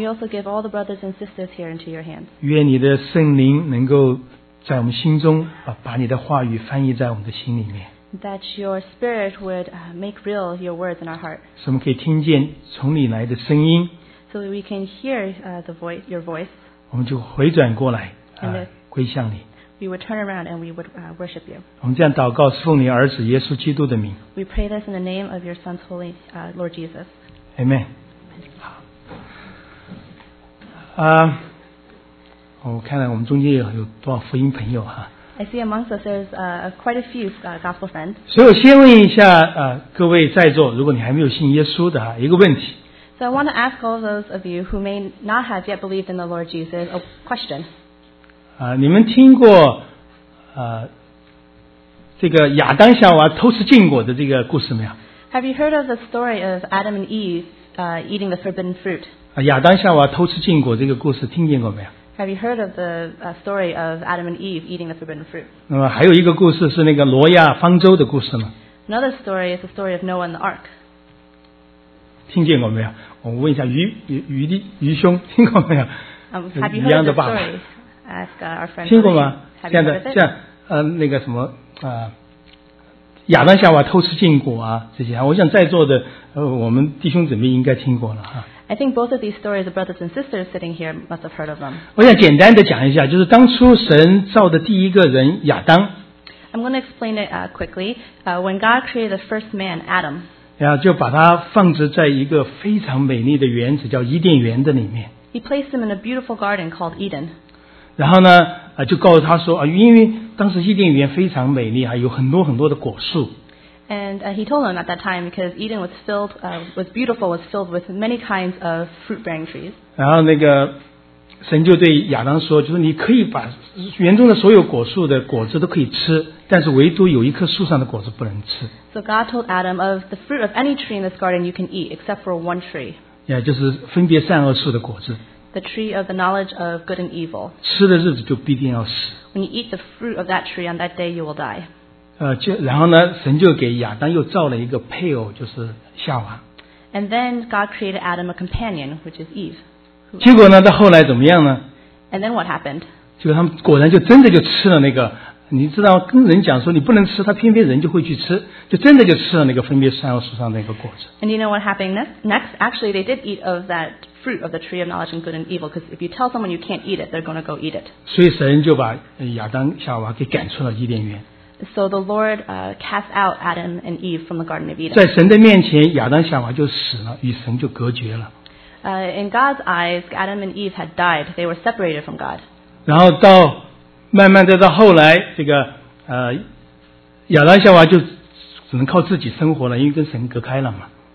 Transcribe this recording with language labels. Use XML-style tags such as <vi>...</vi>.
<en>We also give all the brothers and sisters here into your hands.</en> <zh>愿你的圣灵能够在我们心中把你的话语翻译在我们的心里面。</zh> <en>That your spirit would make real your words in our heart.</en> <zh>使我们可以听见从你来的声音。</zh> <en>So that we can hear the voice, your voice.</en> <zh>我们就回转过来归向你。</zh> <en>We would turn around and we would worship you.</en> <zh>我们这样祷告是奉你儿子耶稣基督的名。</zh> <en>We pray this in the name of your son's holy Lord Jesus. Amen.</en> <zh>我看来我们中间有多少福音朋友</zh> <en>I see amongst us there's quite a few gospel friends.</en> <zh>所以我先问一下各位在座，如果你还没有信耶稣的一个问题。</zh> <en>So I want to ask all those of you who may not have yet believed in the Lord Jesus a question.</en> <zh>你们听过这个亚当夏娃偷吃禁果的这个故事没有？</zh> <en>Have you heard of the story of Adam and Eve eating the forbidden fruit?</en> <zh>亚当夏娃偷吃禁果这个故事听见过没有？</zh> <en>Have you heard of the story of Adam and Eve eating the forbidden fruit?</en> <zh>还有一个故事是那个挪亚方舟的故事吗？</zh> <en>Another story is the story of Noah and the Ark.</en> <zh>听见过没有？我问一下鱼兄，听过没有？</zh> <en>Have you heard</en> <zh>一样的爸爸</zh> <en>story? Ask our friend.</en> <zh>听过吗？</zh> <en>Have you heard</en> <zh>像那个什么亚当夏娃偷吃禁果这些，我想在座的我们弟兄姊妹应该听过了</zh> <en>I think both of these stories, the brothers and sisters sitting here must have heard of them.</en> <zh>我想简单的讲一下，就是当初神造的第一个人亚当。</zh> <en>I'm going to explain it quickly. When God created the first man, Adam.</en> <zh>就把他放置在一个非常美丽的园子，叫伊甸园的里面。</zh> <en>He placed him in a beautiful garden called Eden.</en> <zh>然后呢，就告诉他说啊，因为当时伊甸园非常美丽啊，有很多很多的果树。</zh> <en>And he told him at that time because Eden was filled was beautiful, was filled with many kinds of fruit-bearing trees.</en> <zh>然后那个神就对亚当说，就是你可以把园中的所有果树的果子都可以吃，但是唯独有一棵树上的果子不能吃。</zh> <en>So God told Adam of the fruit of any tree in this garden you can eat except for one tree.</en> <zh>Yeah, 就是分别善恶树的果子。</zh> <en>The tree of the knowledge of good and evil.</en> <zh>吃的日子就必定要死。</zh> <en>When you eat the fruit of that tree on that day you will die.</en> <zh>然后呢，神就给亚当又造了一个配偶，就是夏娃。</zh> <en>And then God created Adam a companion, which is Eve.</en> <zh>结果呢？到后来怎么样呢</zh> <en>？And then what happened？</en> <zh>结果他们果然就真的就吃了那个，你知道跟人讲说你不能吃，他偏偏人就会去吃，就真的就吃了那个分别善恶树上的那个果子。</zh> <en>And you know what happened next? Actually, they did eat of that fruit of the tree of knowledge of good and evil. Because if you tell someone you can't eat it, they're going to go eat it.</en> <zh>所以神就把亚当夏娃给赶出了伊甸园。</zh> <en>So the Lord cast out Adam and Eve from the Garden of Eden.</en> <zh>在神的面前，亚当夏娃就死了，与神就隔绝了。</zh> <en>In God's eyes, Adam and Eve had died. They were separated from God.</en> <zh>然后到慢慢再到后来，这个亚当夏娃就只能靠自己生活了，因为跟神隔开了嘛。</zh>